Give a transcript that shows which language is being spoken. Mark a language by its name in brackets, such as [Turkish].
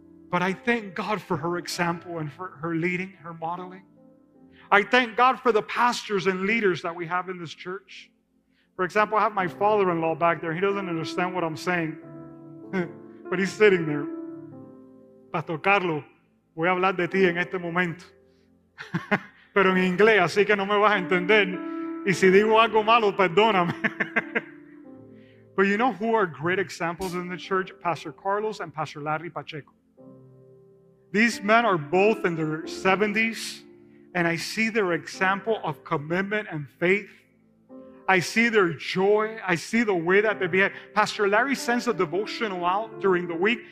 [English] But I thank God for her example and for her leading, her modeling. I thank God for the pastors and leaders that we have in this church. For example, I have my father-in-law back there. He doesn't understand what I'm saying, but he's sitting there. [Spanish] Pastor Carlos, voy a hablar de ti en este momento. Pero en inglés, así que no me vas a entender. Y si digo algo malo, perdóname. [English] But you know who are great examples in the church? Pastor Carlos and Pastor Larry Pacheco. These men are both in their 70s, and I see their example of commitment and faith. I see their joy. I see the way that they behave. Pastor Larry sends a devotional out during the week.